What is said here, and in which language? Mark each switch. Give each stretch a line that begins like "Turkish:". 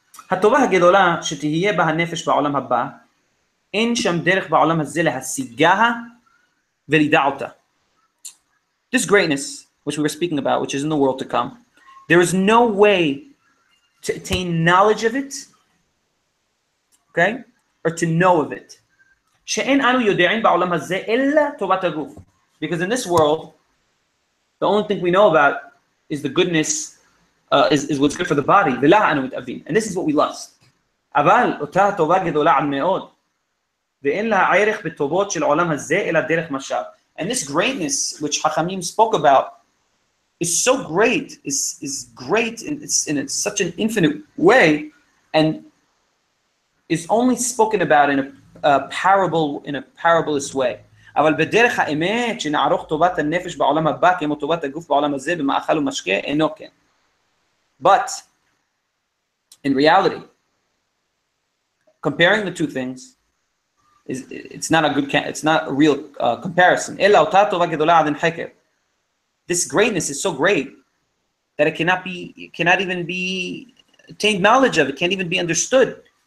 Hebrew: הטובה הגדולה שתהיה בה הנפש בעולם הבא, אין שם דרך בעולם הזה להשיגה ולדע אותה.
English: This greatness, which we were speaking about, which is in the world to come, there is no way to attain knowledge of it, okay, or to know of it.
Hebrew: שאין אנו יודעים בעולם הזה אלא טובת הגוף.
English: Because in this world, the only thing we know about is the goodness is what's good for the body. And this is what we lust.
Hebrew: אבל אותה טובה גדולה עד מאוד. ואין לה ערך בטובות של עולם הזה אלא דרך משל.
English: And this greatness, which Chachamim spoke about, is so great, is great in such an infinite way, and is only spoken about in a parablest way.
Hebrew: אבל בדרך האמת שנערוך טובת הנפש בעולם הבא כמו טובת הגוף בעולם הזה במאכל ומשקה אינו כן.
English: But in reality, comparing the two things is not a real comparison.
Hebrew: Ela otah tova gedola adin heker.
English: This greatness is so great that it cannot even be attained knowledge of. It can't even be understood.